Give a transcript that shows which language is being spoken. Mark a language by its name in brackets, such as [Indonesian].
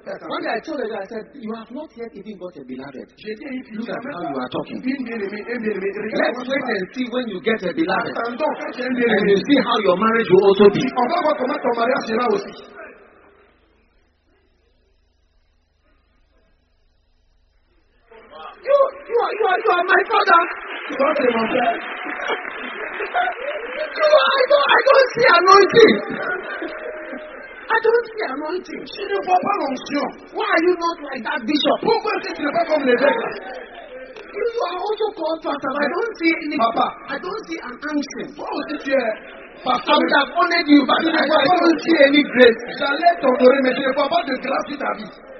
[English] One day I told her, I said, you have not yet even got a beloved. Look at how you are talking. Let's wait and see when you get a beloved. And you see how your marriage will also be. [French] On va voir comment ton mariage sera aussi. [English] You are my father. You are, I don't see anointing. I don't anointing? [French] Tu ne vois pas l'onction. [English] Why are you not like that bishop? [French] Pourquoi est-ce que tu n'es pas comme l'évêque? [English] You are also called pastor, but I don't see any. Papa, I don't see an anointing. Why was it here? Pastor, I would have honored you, but I don't see any grace. [French] J'allais t'honorer, mais je ne vois pas de grâce dans ta vie.